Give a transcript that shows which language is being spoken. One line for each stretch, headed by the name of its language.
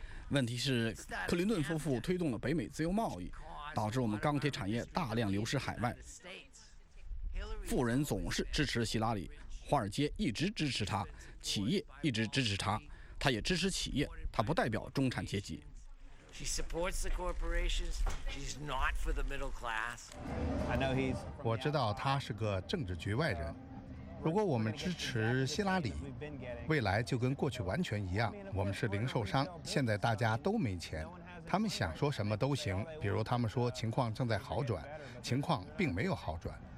Chinese: 问题是克林顿夫妇推动了北美自由贸易，导致我们钢铁产业大量流失海外。富人总是支持希拉里，华尔街一直支持他，企业一直支持他，他也支持企业，他不代表中产阶级。
English: She supports the corporations. She's not for the middle class. I know he's.
Chinese: 我知道他是个政治局外人。如果我们支持希拉里，未来就跟过去完全一样。我们是零售商，现在大家都没钱，他们想说什么都行。比如他们说情况正在好转，情况并没有好转。